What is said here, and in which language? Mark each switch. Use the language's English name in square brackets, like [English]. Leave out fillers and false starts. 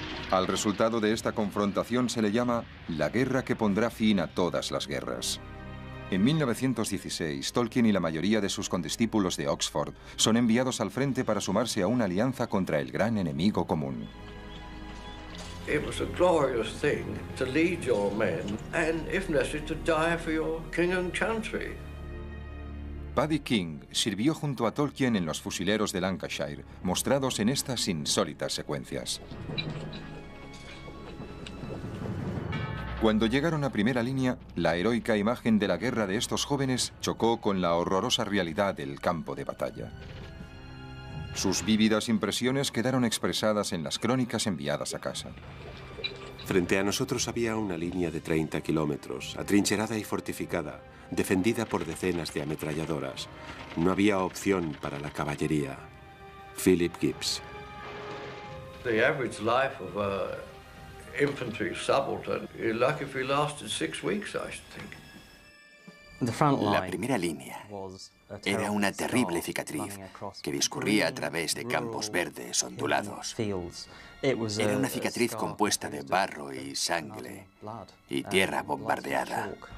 [Spanish] Al resultado de esta confrontación se le llama la guerra que pondrá fin a todas las guerras. En 1916, Tolkien y la mayoría de sus condiscípulos de Oxford son enviados al frente para sumarse a una alianza contra el gran enemigo común. [English] It was a glorious thing to lead your men and, if necessary, to die for your king and country. [Spanish] Paddy King sirvió junto a Tolkien en los fusileros de Lancashire, mostrados en estas insólitas secuencias. Cuando llegaron a primera línea, la heroica imagen de la guerra de estos jóvenes chocó con la horrorosa realidad del campo de batalla. Sus vívidas impresiones quedaron expresadas en las crónicas enviadas a casa. Frente a nosotros había una línea de 30 kilómetros, atrincherada y fortificada, defendida por decenas de ametralladoras. No había opción para la caballería. Philip Gibbs. [English] The average life of a infantry subaltern is lucky if he lasted 6 weeks, I should think. [Spanish] La primera línea era una terrible cicatriz que discurría a través de campos verdes ondulados. Era una cicatriz compuesta de barro y sangre y tierra bombardeada.